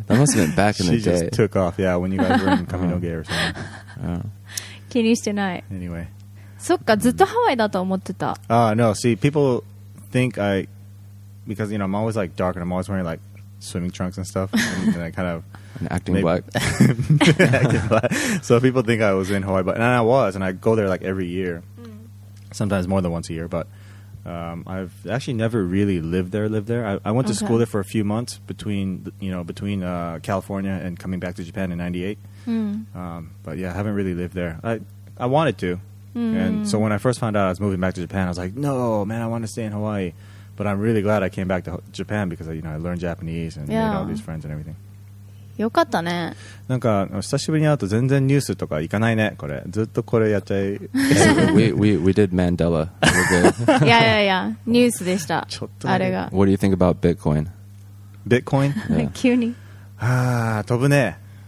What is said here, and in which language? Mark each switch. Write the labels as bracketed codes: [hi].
[en] That must have been back in the day. She just took off. Yeah, when you guys were in Kaminoge or something. [ja] 気にしてない。 [en] Anyway. [ja] そっか、ずっとハワイだと思ってた。 [en] No. See, people think I... Because, you know, I'm always like dark and I'm always wearing like swimming trunks and stuff. And I kind of... acting black. So people think I was in Hawaii. But, and I was. And I go there like every year. Sometimes more than once a year. But... I've actually never really lived there. I went to school there for a few months between California and coming back to Japan in 98. But yeah, I haven't really lived there. I wanted to. And so when I first found out I was moving back to Japan, I was like, no, man, I want to stay in Hawaii. But I'm really glad I came back to Japan because, you know, I learned Japanese and made all these friends and everything. [ja] よかったね。なんか久しぶりに会うと全然ニュースとか行かないね。これずっとこれやっちゃい。 [en] we did Mandela. [ja] いやニュースでした。ちょっとあれが。 [en] What do you think about Bitcoin? Bitcoin? [ja] 急に。ああ飛ぶね。